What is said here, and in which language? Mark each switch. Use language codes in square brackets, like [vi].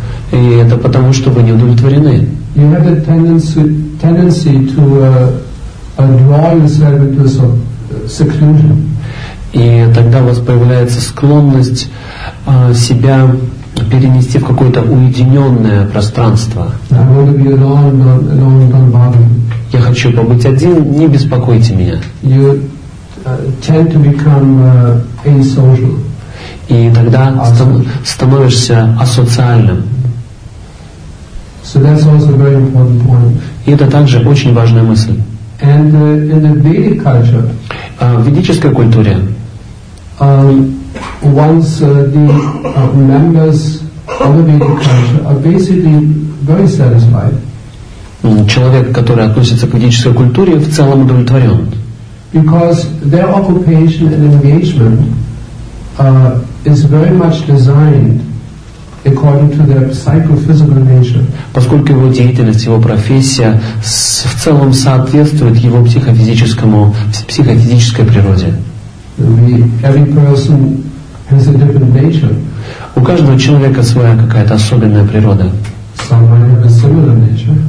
[ru] И это потому, что вы не удовлетворены. [en] You have a tendency to draw yourself into some seclusion. [ru] И тогда у вас появляется склонность себя перенести в какое-то уединенное пространство. Я хочу побыть один, не беспокойте меня. [en] You tend to become asocial. [ru] И тогда становишься асоциальным. [en] So that's also a very important point. [ru] И это также очень важная мысль. [en] And in the Vedic culture, [ru] в ведической культуре, [en] once the members of the Vedic culture are basically very satisfied. [ru] Человек, который относится к ведической культуре, в целом удовлетворен. [en] Because their occupation and engagement is very much designed according to their psychophysical nature. [ru] Поскольку его деятельность, его профессия в целом соответствует его психофизической природе. [en] Every person has a different nature. [ru] У каждого человека своя какая-то особенная природа. [en] Somebody has a similar nature.